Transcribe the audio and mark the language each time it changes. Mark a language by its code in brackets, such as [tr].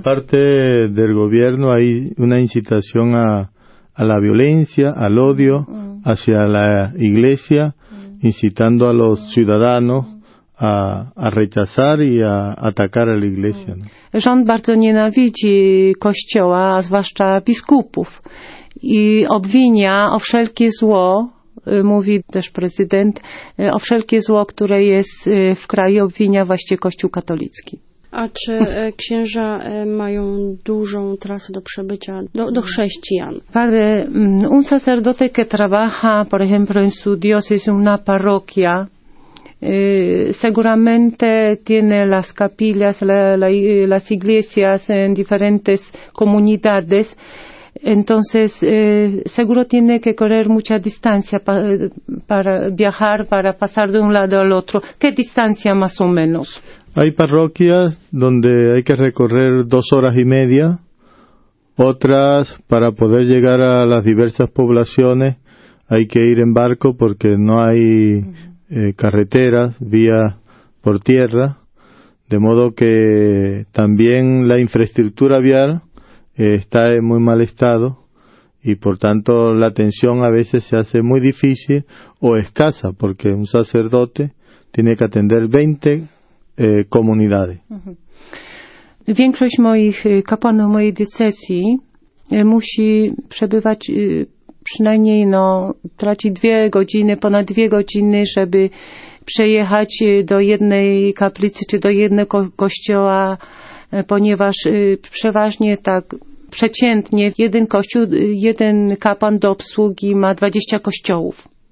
[es] De parte del gobierno hay una incitación a la violencia, al odio hacia la iglesia, incitando a los ciudadanos a rechazar i a atacar a la iglesia. [pl] Rząd bardzo nienawidzi Kościoła, a zwłaszcza biskupów i obwinia o wszelkie zło, mówi też prezydent, o wszelkie zło, które jest w kraju, obwinia właśnie Kościół katolicki. A czy księża mają dużą trasę do przebycia do chrześcijan? [es] Padre, un sacerdote que trabaja, por ejemplo, en su diócesis, una parroquia, seguramente tiene las capillas, las iglesias en diferentes comunidades. Entonces, seguro tiene que correr mucha distancia para viajar, para pasar de un lado al otro. ¿Qué distancia más o menos? Hay parroquias donde hay que recorrer 2 horas y media, otras para poder llegar a las diversas poblaciones hay que ir en barco porque no hay carreteras, vías por tierra, de modo que también la infraestructura vial está en muy mal estado y por tanto la atención a veces se hace muy difícil o escasa porque un sacerdote tiene que atender 20 comunidades. [pl] Większość moich kapłanów mojej diecezji musi przebywać przynajmniej no traci 2 godziny, ponad 2 godziny, żeby przejechać do jednej kaplicy czy do jednego kościoła, ponieważ przeważnie tak przeciętnie jeden kapłan do obsługi ma 20 kościołów.